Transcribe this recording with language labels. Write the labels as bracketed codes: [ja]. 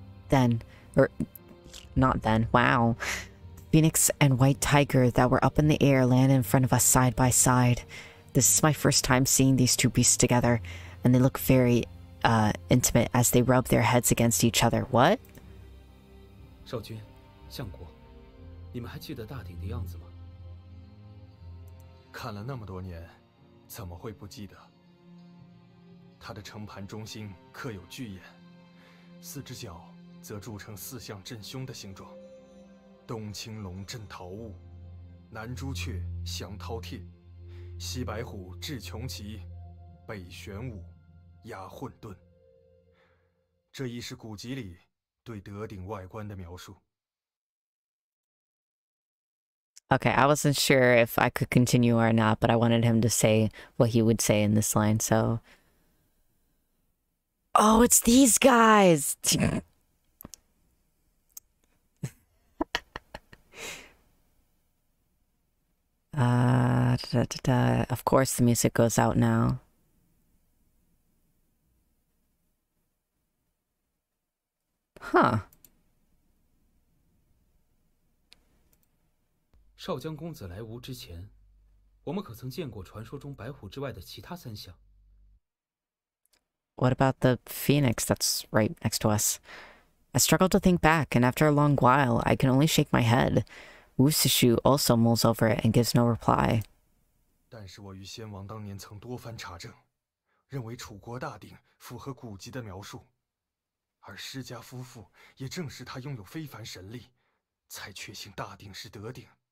[en] Phoenix and White Tiger that were up in the air land in front of us side by side. This is my first time seeing these two beasts together, and they look very intimate as they rub their heads against each other. What? [zh] 少君, 相国, 你们还记得大鼎的样子吗? 看了那么多年, 怎么会不记得?它的城盘中心刻有巨眼, 四只脚则铸成四象镇凶的形状, 东青龙镇桃物, 南朱雀降饕餮, 西白虎智穷奇, 北玄武, 压混沌。这亦是古籍里对德鼎外观的描述。 [en] Okay, I wasn't sure if I could continue or not, but I wanted him to say what he would say in this line, so... Oh, it's these guys! of course the music goes out now. Huh. [zh] 少将公子来吴之前, 我们可曾见过传说中白虎之外的其他三象? [en] What about the phoenix that's right next to us? I struggle to think back, and after a long while, I can only shake my head. Wu Shishu also mulls over it and gives no reply. [zh] 但是我与先王当年曾多番查证, 认为楚国大鼎符合古籍的描述, 而施家夫妇也证实他拥有非凡神力, 才确信大鼎是德鼎。